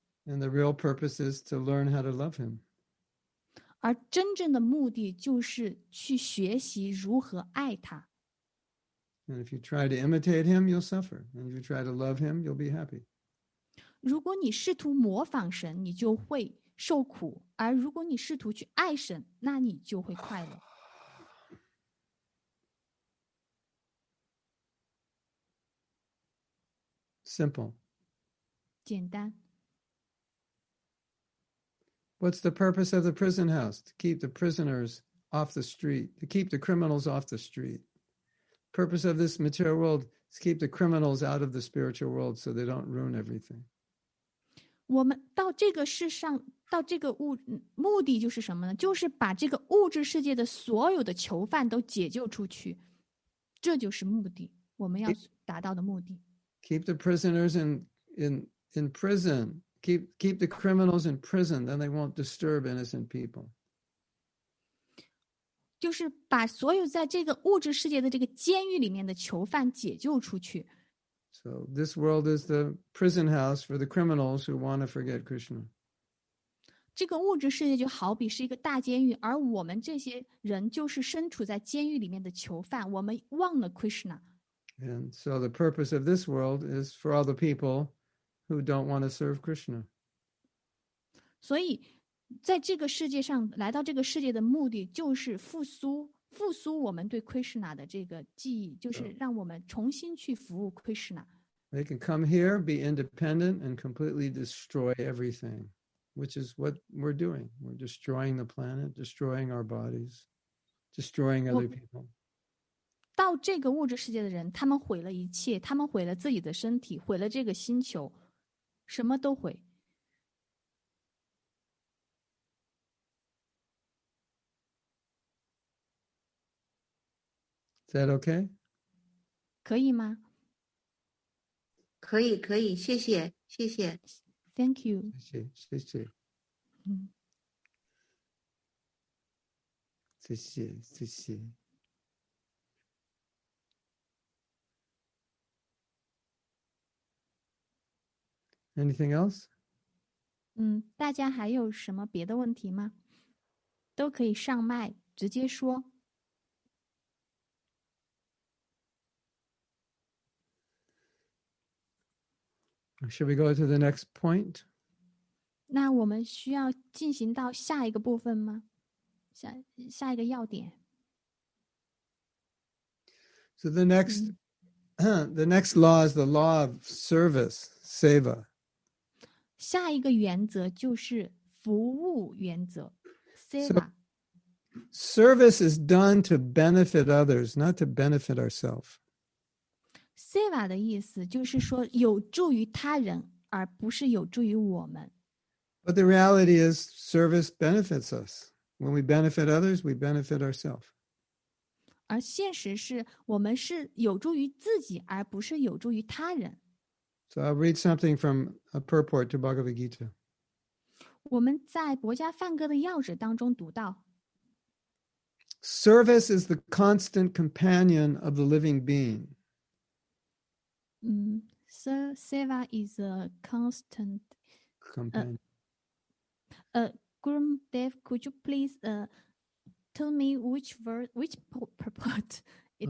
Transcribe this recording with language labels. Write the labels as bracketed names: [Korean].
[English] And the real purpose is to learn how to love him. [Chinese] 而真正的目的就是去学习如何爱他。 [English] And if you try to imitate him, you'll suffer. And if you try to love him, you'll be happy. [Chinese] 如果你试图模仿神，你就会受苦；而如果你试图去爱神，那你就会快乐。 [English] Simple. [Chinese] 简单。 [English] What's the purpose of the prison house? To keep the prisoners off the street, to keep the criminals off the street. Purpose of this material world is to keep the criminals out of the spiritual world so they don't ruin everything. [Chinese] 我们到这个世上，到这个物，目的就是什么呢？就是把这个物质世界的所有的囚犯都解救出去。这就是目的，我们要达到的目的。 [English] Keep the prisoners in prison. Keep the criminals in prison, then they won't disturb innocent people. [Chinese] 就是把所有在这个物质世界的这个监狱里面的囚犯解救出去。 [English] So this world is the prison house for the criminals who want to forget Krishna. [Chinese] 这个物质世界就好比是一个大监狱，而我们这些人就是身处在监狱里面的囚犯，我们忘了 Krishna。 [English] And so the purpose of this world is for all the people who don't want to serve Krishna. [Chinese] 所以在这个世界上，来到这个世界的目的就是复苏我们对 Krishna 的这个记忆，就是让我们重新去服务 Krishna。 [English] They can come here, be independent, and completely destroy everything, which is what we're doing. We're destroying the planet, destroying our bodies, destroying other people. [Chinese] 到这个物质世界的人，他们毁了一切，他们毁了自己的身体，毁了这个星球，什么都毁。 Is that okay? 可以吗？可以，可以，谢谢，谢谢。 [English] Thank you. [Chinese] 谢谢，谢谢。谢谢，谢谢。 [English] Anything else? [Chinese] 大家还有什么别的问题吗？都可以上麦，直接说。 [English] Should we go to the next point? [Chinese] 那我们需要进行到下一个部分吗？下一个要点。 [English] So the next law is the law of service, seva. [Chinese] 下一个原则就是服务原则 ,seva. [English] Service is done to benefit others, not to benefit ourselves. [Chinese] Seva 的意思就是说有助于他人，而不是有助于我们。 [English] But the reality is, service benefits us. When we benefit others, we benefit ourselves. [Chinese] 而现实是我们是有助于自己，而不是有助于他人。 [English] So I'll read something from a purport to Bhagavad Gita. [Chinese] 我们在《薄伽梵歌》的要旨当中读到。 [English] Service is the constant companion of the living being. Seva is a constant companion. Guru Dev, could you please tell me which verse, which purport it